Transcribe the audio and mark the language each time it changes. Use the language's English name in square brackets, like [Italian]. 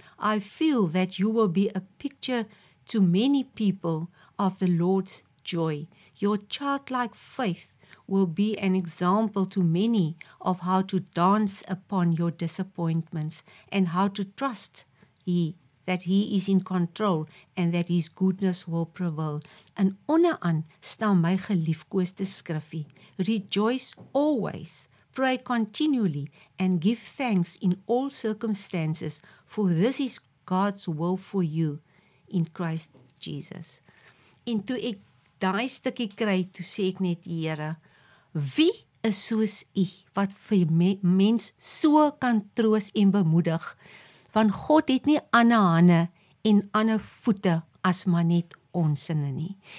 [English] I feel that you will be a picture to many people of the Lord's joy. Your childlike faith will be an example to many of how to dance upon your disappointments and how to trust that He is in control and that His goodness will prevail. [Afrikaans] En onderaan staan my geliefkoeste skriffie. [English] Rejoice always, pray continually, and give thanks in all circumstances, for this is God's will for you in Christ Jesus. [Afrikaans] En toe ek daai stukkie kry, toe sê ek net, Here, wie is soos U, wat vir mens so kan troos en bemoedig? Want God het nie ander hande en ander voete as maar net onsinne nie.